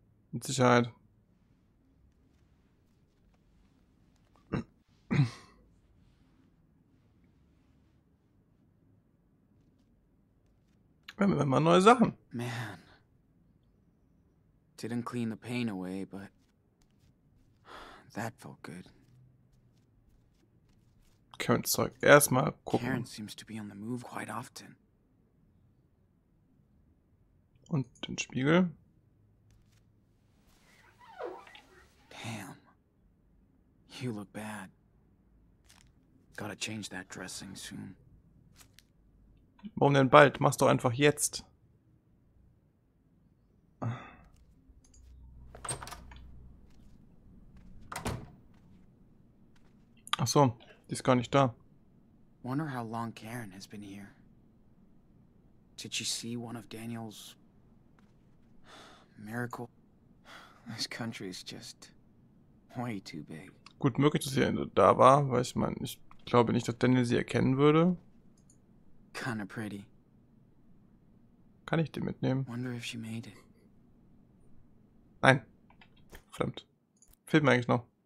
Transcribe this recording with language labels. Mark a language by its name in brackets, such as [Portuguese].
[German] Mit Sicherheit. Wir haben immer neue Sachen. Man. [English] Didn't clean the pain away, but that felt good. [German] Karen's Zeug. Erstmal gucken. [English] Karen seems to be on the move quite often. [German] Und den Spiegel. [English] Damn. You look bad. Gotta change that dressing soon. [German] Warum denn bald? Mach's doch einfach jetzt. Ach so, die ist gar nicht da. [English] Wonder how long Karen has been here. Did she see one of Daniel's miracle? This country is just way too big. [German] Gut möglich, dass sie da war, weil ich meine, ich glaube nicht, dass Daniel sie erkennen würde. [English] Kinda pretty. [German] Kann ich die mitnehmen? [English] Wonder if she made it. [German] Nein. Fremd. Fehlt mir eigentlich noch.